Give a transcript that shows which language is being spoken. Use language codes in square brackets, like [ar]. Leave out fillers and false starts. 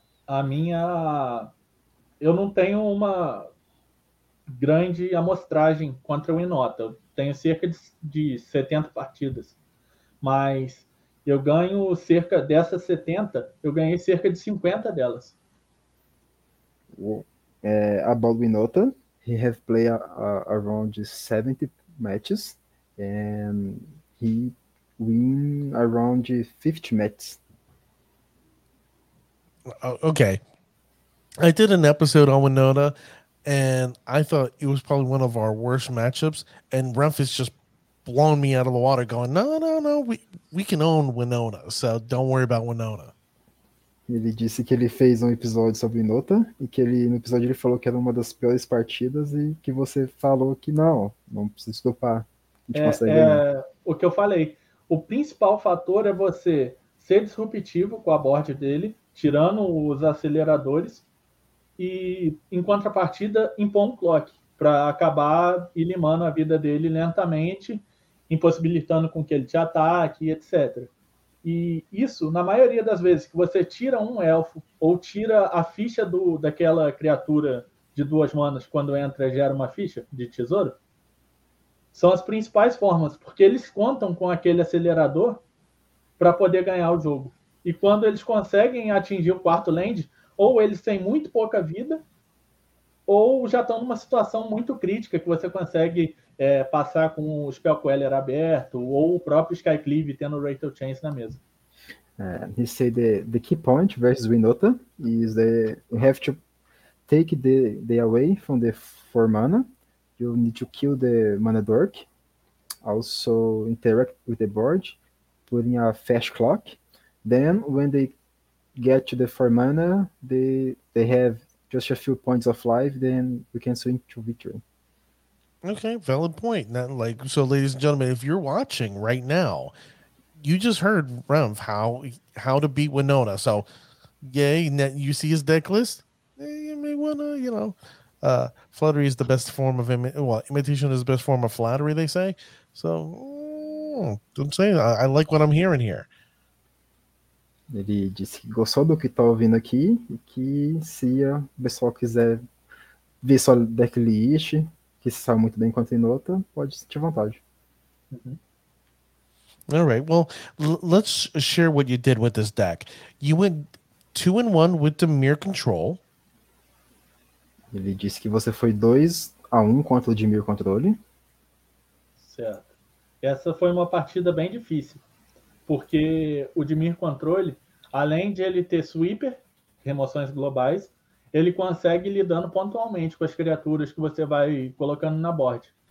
[pt] A minha. Eu não tenho uma grande amostragem contra o Inota. Tenho cerca de 70 partidas. Mas eu ganho cerca dessas 70, eu ganhei cerca de 50 delas. [en] About Winota, he has played around 70 matches and he win around 50 matches. Okay. I did an episode on Winota, and I thought it was probably one of our worst matchups. And Remf is just blowing me out of the water, going, no, we can own Winona, so don't worry about Winona. [pt] Ele disse que ele fez um episódio sobre Inota e que ele no episódio ele falou que era uma das piores partidas e que você falou que não precisa estopar, a gente consegue ganhar. O que eu falei. O principal fator é você ser disruptivo com a board dele, tirando os aceleradores. E em contrapartida, impõe um clock para acabar limando a vida dele lentamente, impossibilitando com que ele te ataque, etc. E isso, na maioria das vezes, que você tira um elfo ou tira a ficha daquela criatura de duas manas quando entra, gera uma ficha de tesouro, são as principais formas, porque eles contam com aquele acelerador para poder ganhar o jogo. E quando eles conseguem atingir o quarto land, ou eles têm muito pouca vida, ou já estão numa situação muito crítica que você consegue passar com o Spellqueller aberto ou o próprio Skyclave tendo o Rate of Chance na mesa. [en] He said the key point versus Winota is that you have to take the away from the 4 mana. You need to kill the mana dork. Also interact with the board, putting a fast clock. Then when they get to the 4 mana, they have just a few points of life, then we can swing to victory. Okay, valid point. Now, so, ladies and gentlemen, if you're watching right now, you just heard Rev how to beat Winona. So, yay, net, you see his deck list? You may wanna, flattery is the best form of imitation is the best form of flattery, they say. So, don't say that. I like what I'm hearing here. [pt] Ele disse que gostou do que está ouvindo aqui e que se o pessoal quiser ver sua decklist, que se sabe muito bem quanto em nota, pode sentir vontade. [en] All right, well, let's share what you did with this deck. You went 2-1 with the Dimir Control. [pt] Ele disse que você foi 2-1 contra o Dimir Controle. Certo. Essa foi uma partida bem difícil, porque o Dimir Controle, além de ele ter sweeper, remoções globais, ele consegue lidando pontualmente com as criaturas que você vai colocando na board.